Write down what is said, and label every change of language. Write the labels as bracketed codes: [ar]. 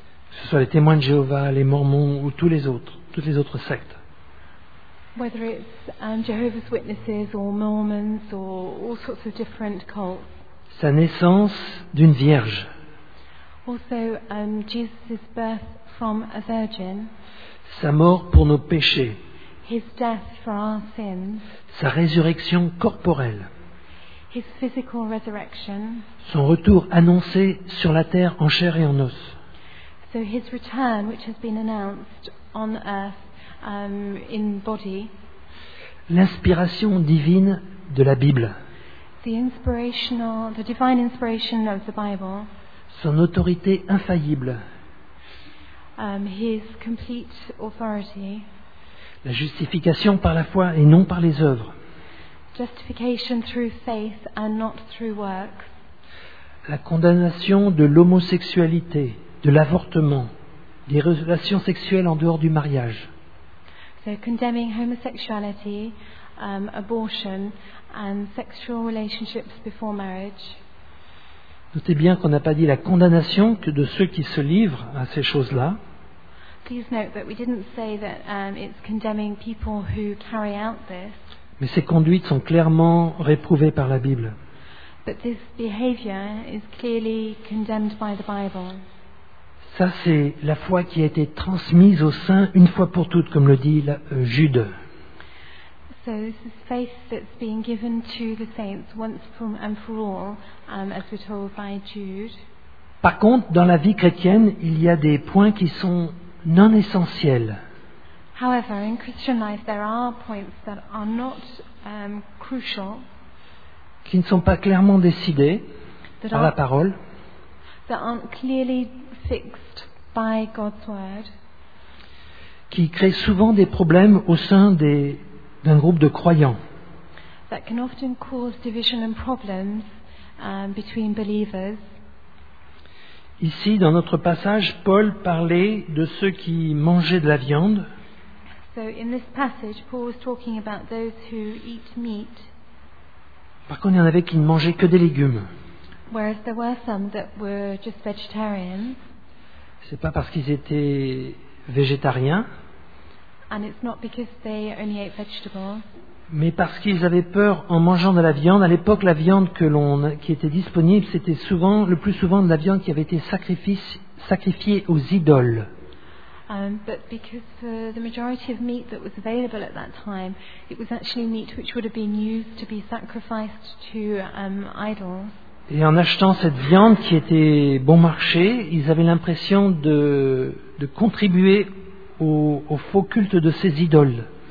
[fr] Que ce soit les témoins de Jéhovah, les Mormons ou toutes les autres sectes. [en] Whether it's Jehovah's Witnesses or Mormons or all sorts of different cults. [fr] Sa naissance d'une vierge. [en] Also, Jesus' birth from a virgin. [fr] Sa mort pour nos péchés. [en] His death for our sins. [fr] Sa résurrection corporelle. [en] His physical resurrection. [fr] Son retour annoncé sur la terre en chair et en os. [en] So his return, which has been announced on earth, in body. [fr] L'inspiration divine de la Bible. [en] The divine inspiration of the Bible. [fr] Son autorité infaillible. [en] His complete authority. [fr] La justification par la foi et non par les œuvres. [en] Justification through faith and not through works. [fr] La condamnation de l'homosexualité, de l'avortement, des relations sexuelles en dehors du mariage. [en] So condemning homosexuality, abortion and sexual relationships before marriage. [fr] Notez bien qu'on n'a pas dit la condamnation que de ceux qui se livrent à ces choses-là. [en] Please note that we didn't say that it's condemning people who carry out this. [fr] Mais ces conduites sont clairement réprouvées par la Bible. [en] But this behavior is clearly condemned by the Bible. [fr] Ça, c'est la foi qui a été transmise au sein une fois pour toutes, comme le dit Jude. [en] So this is faith that's being given to the saints once and for all, as we're told by Jude. [fr] Par contre, dans la vie chrétienne, il y a des points qui sont non essentiels. [en] However, in Christian life, there are points that are not crucial. [fr] Qui ne sont pas clairement décidés par la parole. [en] That aren't clearly fixed by God's word. [fr] Qui créent souvent des problèmes au sein d'un groupe de croyants. [en] That can often cause division and problems between believers. [fr] Ici, dans notre passage, Paul parlait de ceux qui mangeaient de la viande. [en] So in this passage, Paul was talking about those who eat meat. [fr] Par contre, il y en avait qui ne mangeaient que des légumes. [en] Whereas there were some that were just vegetarian. [fr] C'est pas parce qu'ils étaient végétariens. [en] And it's not because they only ate vegetables. [fr] Mais parce qu'ils avaient peur en mangeant de la viande. À l'époque, la viande qui était disponible, c'était souvent, le plus souvent, de la viande qui avait été sacrifiée aux idoles. [en] But because the majority of meat that was available at that time, it was actually meat which would have been used to be sacrificed to idols. [fr] Et en achetant cette viande qui était bon marché, ils avaient l'impression de contribuer au faux culte de ces idoles.